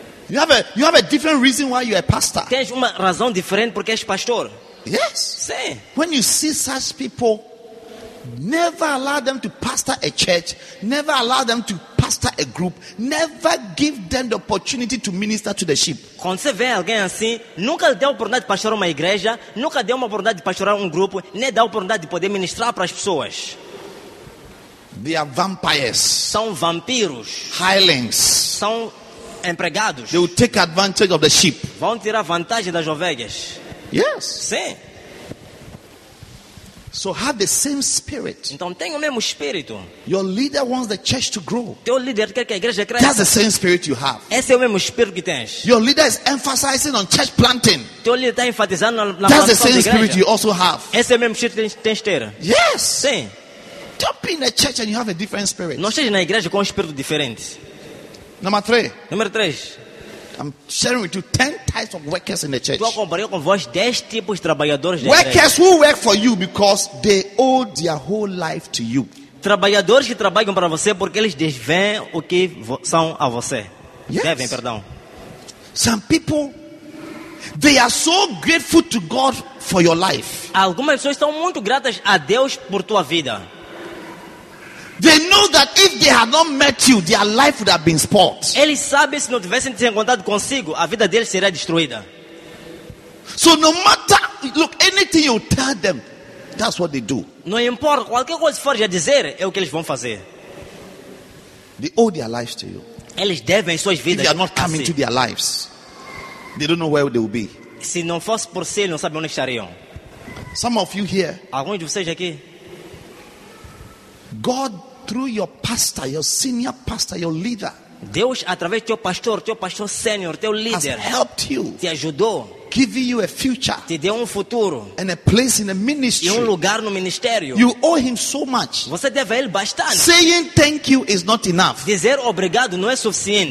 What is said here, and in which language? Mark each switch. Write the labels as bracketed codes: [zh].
[en] You have a different reason why you are a pastor. [pt] Tens uma razão diferente porque és pastor? [en] Yes. [pt] Sim. [en] When you see such people, Never allow them to pastor a church. Never allow them to pastor a group. Never give them the opportunity to minister to the sheep. [pt] Quando você vê alguém assim, nunca dê a oportunidade de pastorar uma igreja, nunca dê uma oportunidade de pastorar grupo, nem dá a oportunidade de poder ministrar para as pessoas. [en] They are vampires. [pt] São vampiros. [en] Hirelings. [pt] São empregados. [en] They will take advantage of the sheep. [pt] Vão tirar vantagem das ovelhas. [en] Yes. [pt] Sim. [en] So have the same spirit. [pt] Então tenha o mesmo espírito. [en] Your leader wants the church to grow. [pt] Teu líder quer que a igreja cresça. [en] That's the same spirit you have. [pt] Esse é o mesmo espírito que tens. [en] Your leader is emphasizing on church planting. [pt] Teu líder está enfatizando na plantação da igreja. [en] That's the same spirit you also have. [pt] Esse é o mesmo espírito que tens ter. [en] Yes. [pt] Sim. [en] Don't be in a church and you have a different spirit. [pt] Não esteja na igreja com espírito diferente. [en] Number three. [pt] Número 3. [en] I'm sharing with you 10 types of workers in the church. [pt] Estou a comparar com vós 10 tipos de trabalhadores. [en] Workers who work for you because they owe their whole life to you. [pt] Trabalhadores que trabalham para você porque eles devem o que são a você. [en] Yes. [pt] Devem, perdão. [en] Some people, they are so grateful to God for your life. [pt] Algumas pessoas estão muito gratas a Deus por tua vida. [en] They know that if they had not met you, their life would have been spoiled. [pt] Eles sabem se não tivessem te encontrado consigo, a vida deles seria destruída. [en] So no matter, look, anything you tell them, that's what they do. [pt] Não importa qualquer coisa for já dizer, é o que eles vão fazer. [en] They owe their lives to you. [pt] Eles devem suas vidas. [en] If they are not coming to their lives, they don't know where they will be. [pt] Se não fosse por si, não sabem onde estariam. [en] Some of you here. [pt] Alguns de vocês aqui. [en] God through your pastor, your senior pastor, your leader. [pt] Deus através do teu pastor sênior, teu líder. [en] Has helped you. [pt] Te ajudou. [en] Give you a future. [pt] Te deu futuro. [en] And a place in the ministry. [pt] E lugar no ministério. [en] You owe him so much. [pt] Você deve a ele bastante. [en] Saying thank you is not enough. [pt] Dizer obrigado não é suficiente.